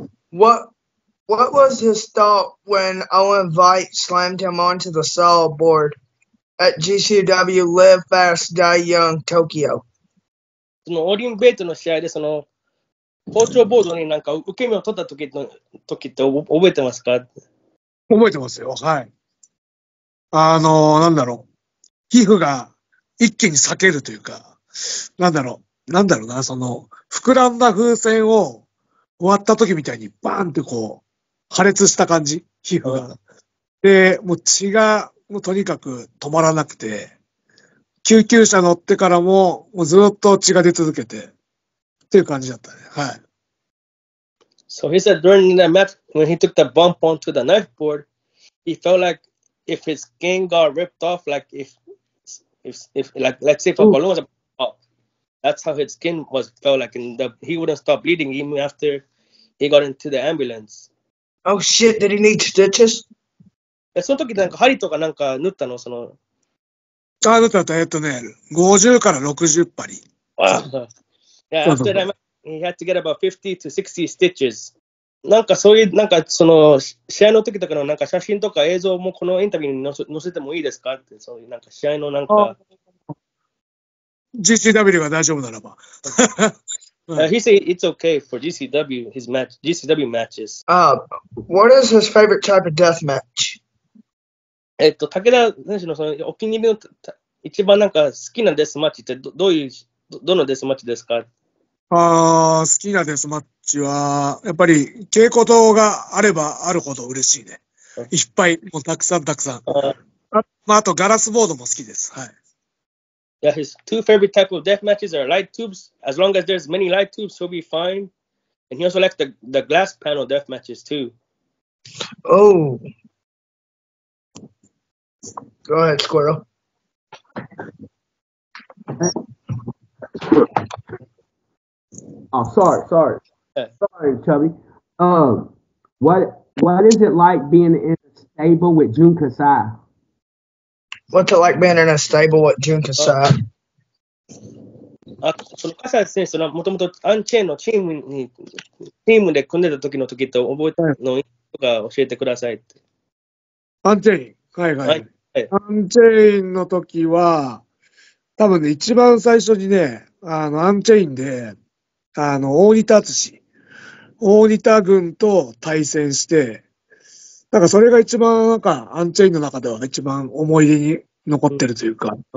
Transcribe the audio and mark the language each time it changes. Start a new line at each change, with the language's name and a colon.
English: what was his thought when Orin Veidt slammed him onto the cell board at GCW Live Fast Die Young Tokyo?
Japanese: そのオリンベイトの試合でその包丁ボードになんか受け身を取った時って覚えてますか？覚えてますよ。はい。なんだろう。皮膚が一気に裂けるというか、なんだろう。なんだろうな、その、膨らんだ風船を割った時みたいにバーンってこう、破裂した感じ、皮膚が。で、もう血が、もうとにかく止まらなくて、救急車乗ってからも、もうずっと血が出続けて、っていう感じだったね。はい。
English: So he said during that match, when he took the bump onto the knife board, he felt like if his skin got ripped off, like if a balloon was a... That's how his skin was felt like, and he wouldn't stop bleeding even after he got into the ambulance. Oh shit, did he need stitches?
Japanese: その時なんか針とかなんか縫ったの、その。ああ、縫った、ね、50から60針。
English: yeah, after that, he had to get about 50 to 60 stitches.
Japanese: なんかそういう、なんかその、試合の時とかのなんか写真とか映像もこのインタビューに載せてもいいですかって、そういうなんか試合のなんか。
English: Oh.
Japanese: GCW が大丈夫ならば。
English: He said it's okay for GCW, his match, GCW matches. What is his favorite type of death match?
Japanese: 武田選手のそのお気に入りの一番なんか好きなデスマッチってどのデスマッチですか？好きなデスマッチは、やっぱり稽古灯があればあるほど嬉しいね。いっぱい、もうたくさんたくさん。あとガラスボードも好きです。はい。
English: Yeah, his two favorite type of death matches are light tubes. As long as there's many light tubes, he'll be fine. And he also likes the glass panel death matches too. Oh. Go ahead, squirrel. Oh, sorry. Yeah. Sorry, chubby. What is it like being in a stable with Jun Kasai? What's it like being in a stable with Jun Kasai?
Japanese: その笠井選手はもともとアンチェーンのチームで組んでた時の時と覚えたのとか教えてくださいって。アンチェーン、はい。アンチェーンの時は、多分ね、一番最初にね、アンチェーンで、大仁田敦史、大仁田軍と対戦して、なんかそれが一番なんかアンチェインの中では一番思い出に残ってるというか、